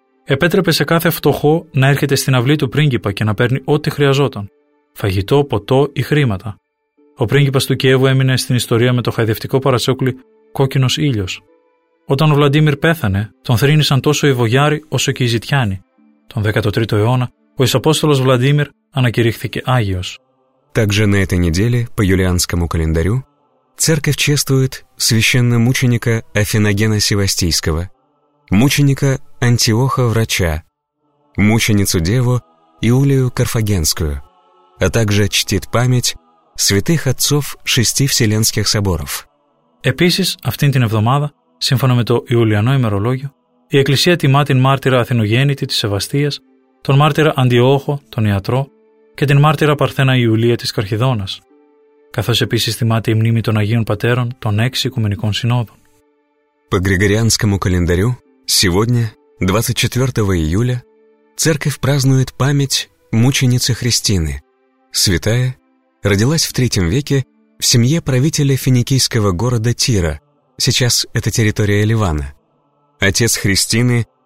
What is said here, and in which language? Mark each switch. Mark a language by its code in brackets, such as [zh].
[el] Επέτρεπε σε κάθε φτωχό να έρχεται στην αυλή του πρίγκιπα και να παίρνει ό,τι χρειαζόταν: φαγητό, ποτό ή χρήματα. Ο πρίγκιπας του Κιέβου έμεινε στην ιστορία με το χαϊδευτικό παρατσούκλι «Κόκκινος Ήλιος». Όταν ο Βλαντίμιρ πέθανε, τον θρήνησαν τόσο οι Βογιάροι όσο και οι Ζητιάνοι. Τον 13ο αιώνα, ο Ισαπόστολος Βλαντίμιρ ανακηρύχθηκε Άγιος. [ru] Также на этой неделе, по юлианскому календарю, церковь чествует священномученика Афиногена Севастийского, мученика Антиоха Врача, мученицу Деву Иулию Карфагенскую, а также чтит память святых отцов 6 Вселенских соборов. [el] Επίσης, αυτήν την εβδομάδα, σύμφωνα με το Ιουλιανό ημερολόγιο, η Εκκλησία τιμά την μάρτυρα Αθηνογέννητη της Σεβαστίας, τον μάρτυρα Αντιόχο, τον Ιατρό, και την μάρτυρα Παρθένα Ιουλία της Καρχιδόνας, καθώς επίσης τιμάται η μνήμη των Αγίων Πατέρων των 6 Οικουμενικών Συνόδων. [ru] По Григорианскому календарю, сегодня, 24 июля, Церковь празднует память мученицы Христины. Святая родилась в III веке в семье правителя финикийского города Тира, сейчас это территория Ливана. Отец Христины